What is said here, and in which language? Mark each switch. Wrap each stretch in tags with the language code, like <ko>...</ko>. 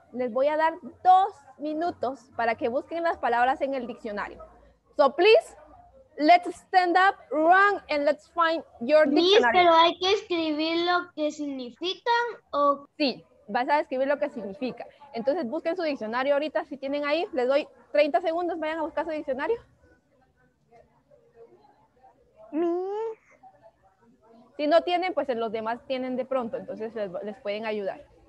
<es>Les voy a dar 2 minutos para que busquen las palabras en el diccionario. So, please,</es> <en>Let's stand up, run, and let's find your dictionary.</en> <es>Pero hay que escribir lo que significan o... Sí, vas a escribir lo que significa. Entonces busquen su diccionario ahorita, si tienen ahí, les doy 30 segundos, vayan a buscar su diccionario. Si no tienen, pues los demás tienen de pronto, entonces les pueden ayudar.</es>